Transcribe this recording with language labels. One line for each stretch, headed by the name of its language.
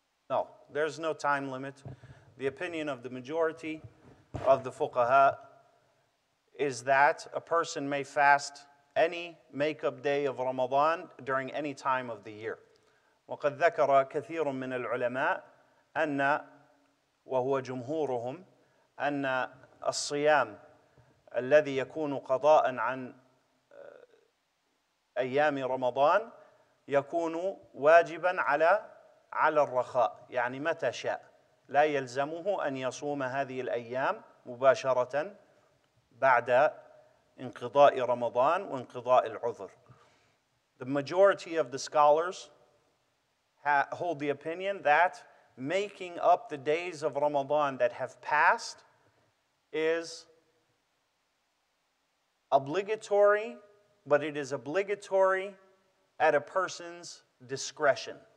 English: No, there's no time limit. The opinion of the majority of the fuqaha is that a person may fast any makeup day of Ramadan during any time of the year.
Arabic: وَقَدْ ذَكَرَ كَثِيرٌ مِّنَ الْعُلَمَاءِ أَنَّ وَهُوَ جُمْهُورُهُمْ أَنَّ الصِّيَامَ الَّذِي يَكُونُ قَضَاءً عَنْ أَيَّامِ رَمَضَانِ يَكُونُ وَاجِبًا عَلَى الرَّخَاءِ يعني متى شاء لا يلزمه أن يصوم هذه الأيام مباشرة بعد انقضاء رمضان وانقضاء العذر.
English: The majority of the scholars hold the opinion that making up the days of Ramadan that have passed is obligatory, but it is obligatory at a person's discretion.